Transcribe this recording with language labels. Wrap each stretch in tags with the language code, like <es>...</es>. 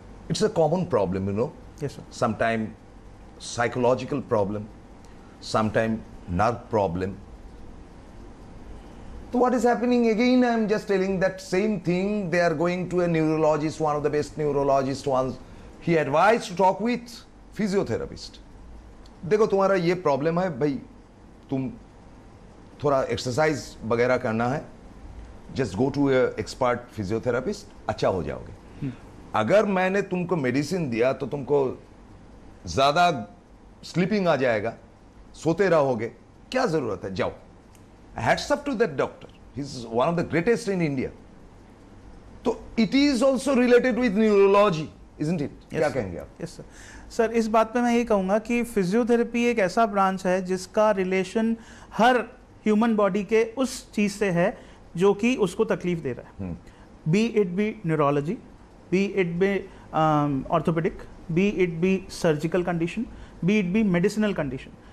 <en>It's a common problem you know. Yes sir. Sometime psychological problem, sometime nerve problem. तो what is happening again, I am just telling that same thing, they are going to a neurologist, one of the best neurologist once. He advised to talk with physiotherapist.</en> <hi>देखो तुम्हारा ये problem है भाई, तुम थोड़ा exercise वगैरह करना है,</hi> <en>just go to a expert physiotherapist,</en> <hi>अच्छा हो जाओगे. अगर मैंने तुमको मेडिसिन दिया तो तुमको ज्यादा स्लीपिंग आ जाएगा, सोते रहोगे, क्या जरूरत है, जाओ.</hi> <en>Hats up to that doctor. He's one of the greatest in India. तो it is also related with neurology. Isn't it?</en> <hi>क्या कहेंगे आप?</hi> <en>Yes, sir.</en> <hi>Sir, इस बात पे मैं ये कहूँगा कि फिजियोथेरेपी एक ऐसा ब्रांच है जिसका रिलेशन हर ह्यूमन बॉडी के उस चीज से है जो कि उसको तकलीफ दे रहा है.</hi> <en>Be it be neurology, be it be orthopedic, be it be surgical condition, be it be medicinal condition.</en>